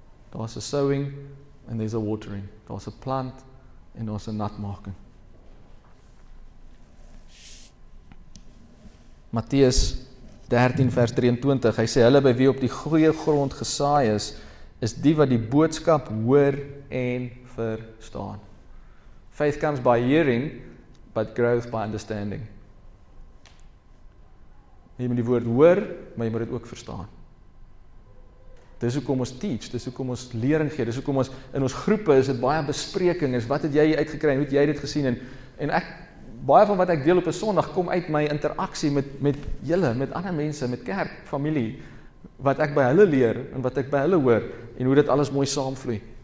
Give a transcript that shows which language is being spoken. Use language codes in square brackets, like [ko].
[af] Daar's 'n sowing en daar's 'n watering. Daar's 'n plant en daar's 'n natmaking. Matteus 13 vers 23, hy sê, hulle by wie op die goeie grond gesaai is, is die wat die boodskap hoor en verstaan. [en] Faith comes by hearing, but growth by understanding. [af] Jy moet die woord hoor, maar jy moet dit ook verstaan. Dis hoekom ons teach, dis hoekom ons lering gee, dis hoekom ons in ons groepe is dit baie bespreking, is wat het jy uitgekry en hoe het jy dit gesien en ek Baie van wat ek deel op 'n Sondag kom uit my interaksie met julle, met ander mense, met kerk, familie, wat ek by hulle leer en wat ek by hulle hoor en hoe dit alles mooi saamvloei.